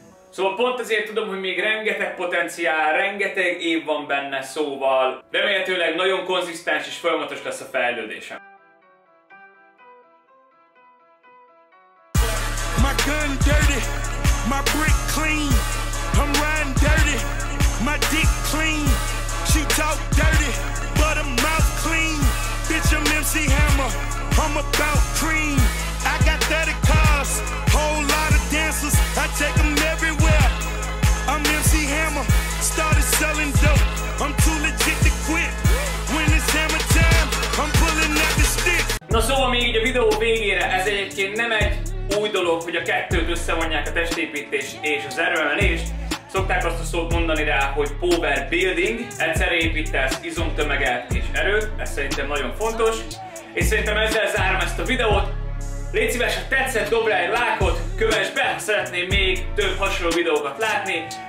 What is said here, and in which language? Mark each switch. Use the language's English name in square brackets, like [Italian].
[Hungarian] Szóval pont azért tudom, hogy még rengeteg potenciál, rengeteg év van benne, szóval remélhetőleg nagyon konzisztens és folyamatos lesz a fejlődésem. [English] My gun dirty, my brick clean, I'm riding dirty, my dick clean, she talk dirty, but her mouth clean, bitch I'm MC Hammer, I'm about cream, I got 30 cars, whole lot of dancers, I take them everywhere, I'm MC Hammer, started selling dope, I'm too legit to quit, when it's hammer time, I'm pulling out the stick. [Hungarian] Na szóval még így a videó végére, ez egyébként nem egy új dolog, hogy a kettőt összevonják, a testépítés és az erőemelés. Szokták azt a szót mondani rá, hogy power building, egyszerre építesz izomtömeget és erőt, ez szerintem nagyon fontos. És szerintem ezzel zárom ezt a videót. Légy szíves, ha tetszett, dobd rá egy lájkot, kövess be, szeretném még több hasonló videókat látni.